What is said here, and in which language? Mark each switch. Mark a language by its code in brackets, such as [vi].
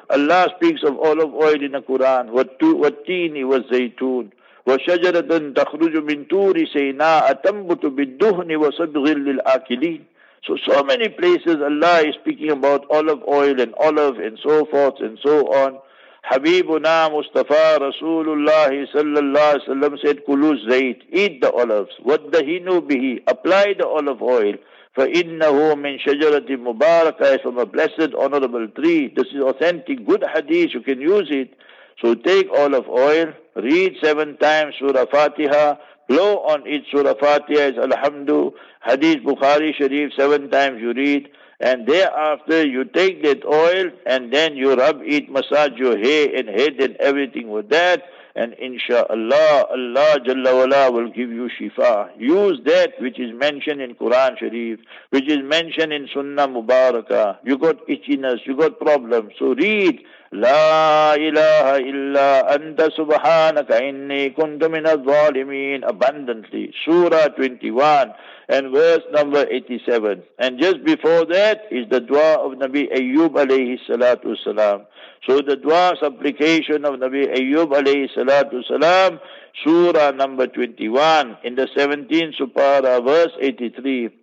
[en] Allah speaks of olive oil in the Quran. [ar] Wattini wa zaytun. وَشَجَرَةً تَخْرُجُ مِنْ تُورِ سَيْنَاءَ تَنْبُتُ بِالدُّهْنِ وَصَبْغٍ لِلْآكِلِينَ. [en] So many places Allah is speaking about olive oil and olive and so forth and so on. [ar] حَبِيبُنَا مُصْطَفَى رَسُولُ اللَّهِ صَلَّى اللَّهِ وَسَلَّمْ [en] said, [ar] كُلُوا الزَّيْتِ, [en] eat the olives. [ar] وَدَّهِنُوا بِهِ, [en] apply the olive oil. [ar] فَإِنَّهُ مِنْ شَجَرَةِ مُبَارَكَةِ, [en] from a blessed honorable tree. This is authentic, good hadith, you can use it. So take olive oil, read 7 times Surah Fatiha, blow on it. Surah Fatiha is Alhamdu, Hadith Bukhari Sharif, 7 times you read, and thereafter you take that oil and then you rub it, massage your hair and head and everything with that, and inshallah, Allah Jalla Wala will give you shifa. Use that which is mentioned in Quran Sharif, which is mentioned in Sunnah Mubarakah. You got itchiness, you got problems, so read. [ar] لا إله إلا أنت سبحانك إني كنت من الظالمين [en] abundantly. Surah 21 and verse number 87. And just before that is the dua of Nabi Ayyub alayhi salatu salam. So the dua supplication of Nabi Ayyub alayhi salatu salam, Surah number 21 in the 17th supara, verse 83.